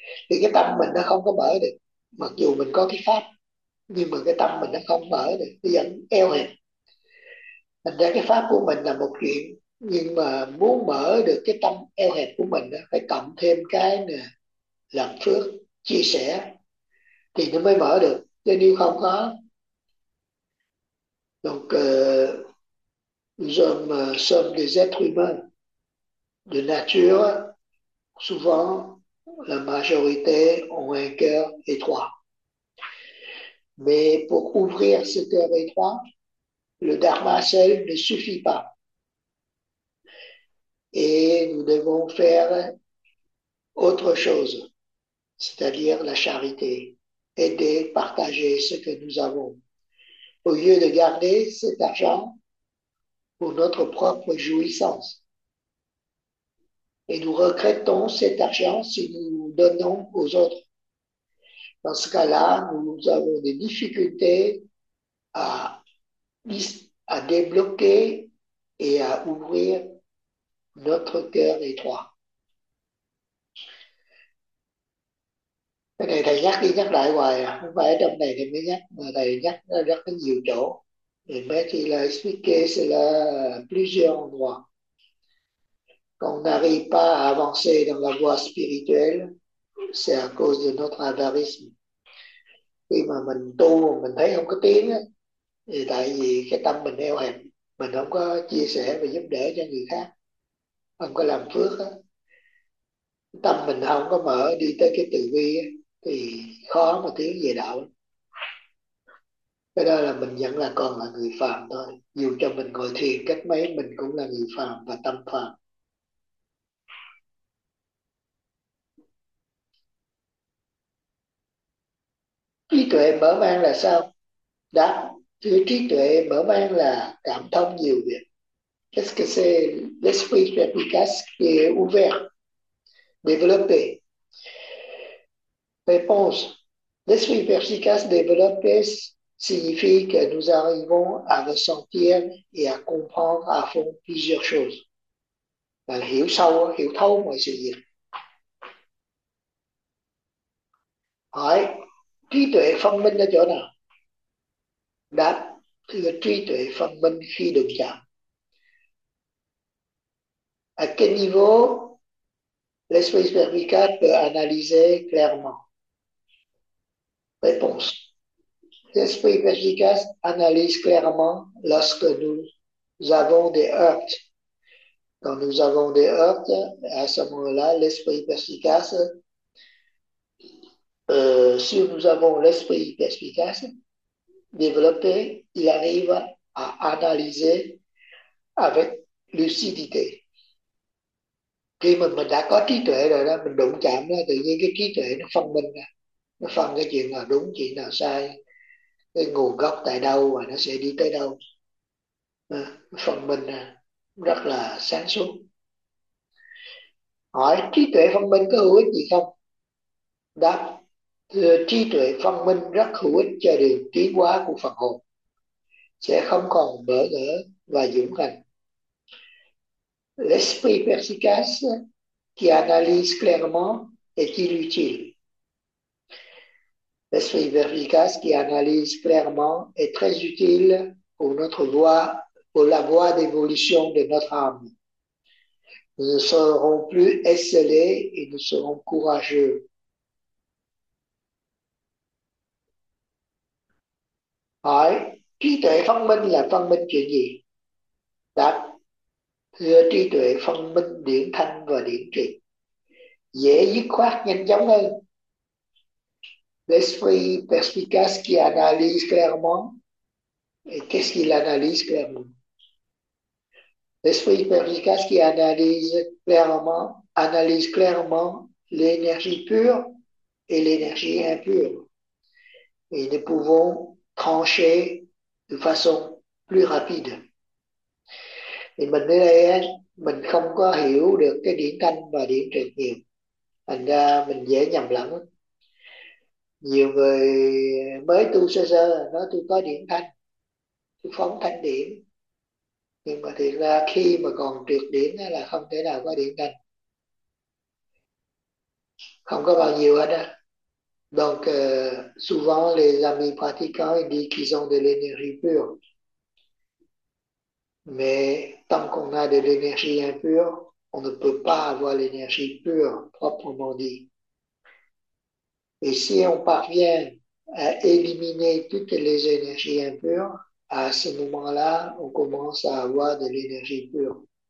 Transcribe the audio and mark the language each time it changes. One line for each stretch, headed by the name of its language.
Vietnamese: Thì cái tâm mình nó không có mở được, mặc dù mình có cái pháp, nhưng mà cái tâm mình nó không mở được, nó vẫn eo hẹp. Thành ra cái pháp của mình là một chuyện, nhưng mà muốn mở được cái tâm eo hẹp của mình đó, phải cộng thêm cái nè, làm phước, chia sẻ thì nó mới mở được, chứ nếu không có.
French: Donc nous sommes des êtres humains de nature, souvent la majorité ont un cœur étroit. Mais pour ouvrir ce cœur étroit, le dharma seul ne suffit pas. Et nous devons faire autre chose, c'est-à-dire la charité, aider, partager ce que nous avons. Au lieu de garder cet argent pour notre propre jouissance. Et nous regrettons cet argent si nous donnons aux autres. Dans ce cas-là, nous avons des difficultés à débloquer et à ouvrir notre cœur étroit.
Vietnamese: Cái này thầy nhắc đi nhắc lại hoài à, không phải ở trong này thầy mới nhắc, mà thầy nhắc rất là nhiều chỗ. Thì mới chỉ là
French: expliquer cela plusieurs endroits. Quand on n'arrive pas à avancer dans la voie spirituelle, c'est à cause de notre avarisme.
Vietnamese: Khi mà mình tu mà mình thấy không có tiếng á, thì tại vì cái tâm mình eo hẹp, mình không có chia sẻ và giúp đỡ cho người khác, không có làm phước á, tâm mình không có mở đi tới cái từ bi á, thì khó mà tiến về đạo. Cái đó là mình vẫn là còn là người phàm thôi. Dù cho mình ngồi thiền cách mấy, mình cũng là người phàm và tâm phàm. Trí tuệ mở mang là sao? Đã, thứ trí tuệ mở mang là cảm thông nhiều việc.
French: Qu'est-ce que c'est l'esprit perspicace ouvert, développé? Réponse. L'esprit perspicace développé signifie que nous arrivons à ressentir et à comprendre à fond plusieurs choses.
Vietnamese: Là hiểu sâu, hiểu thấu mọi sự việc. Hỏi, trí tuệ phân minh ở chỗ nào? Đáp, trí tuệ phân minh khi đụng chạm.
French: À quel niveau l'esprit perspicace peut analyser clairement? Réponse. L'esprit perspicace analyse clairement lorsque nous avons des heurts. Quand nous avons des heurts, à ce moment-là, l'esprit perspicace, si nous avons l'esprit perspicace développé, il arrive à analyser avec lucidité.
Vietnamese: Khi mình đã có trí tuệ rồi đó, mình đụng chạm đó, tự nhiên cái trí tuệ nó phân minh ra. Nó phân cái chuyện nào đúng, chuyện nào sai, cái nguồn gốc tại đâu và nó sẽ đi tới đâu. Phân minh rất là sáng suốt. Hỏi trí tuệ phân minh có hữu ích gì không? Đáp, trí tuệ phân minh rất hữu ích cho đường tiến hóa của phần hồn. Sẽ không còn bỡ ngỡ và dũng hành.
French: L'esprit perspicace qui analyse clairement est-il utile? L'esprit perspicace qui analyse clairement est très utile pour notre voie, pour la voie d'évolution de notre âme. Nous ne serons plus esseulés et nous serons courageux.
Vietnamese: Hỏi, trí tuệ phân minh là phân minh chuyện gì? Đáp, thưa trí tuệ phân minh điển thanh và điển trị, dễ dứt khoát nhanh chóng hơn.
French: L'esprit perspicace qui analyse clairement. Et qu'est-ce qu'il analyse clairement? L'esprit perspicace qui analyse clairement l'énergie pure et l'énergie impure. Et nous pouvons trancher de façon plus rapide.
Vietnamese: Thì mình ở đây mình không có hiểu được cái điển thanh và điển trị nhiều, thành ra mình dễ nhầm lẫn. Nhiều người mới tu sơ sơ nói tôi có điển thanh, tôi phóng thanh điển, nhưng mà thiệt ra khi mà còn trượt điển là không thể nào có điển thanh, không có bao nhiêu hết á.
French: Donc souvent les amis pratiquants disent qu'ils ont de l'énergie pure, mais tant qu'on a de l'énergie impure, on ne peut pas avoir l'énergie pure proprement dit. Et si on parvient à éliminer toutes les énergies impures, à ce moment-là, on commence à avoir de l'énergie pure.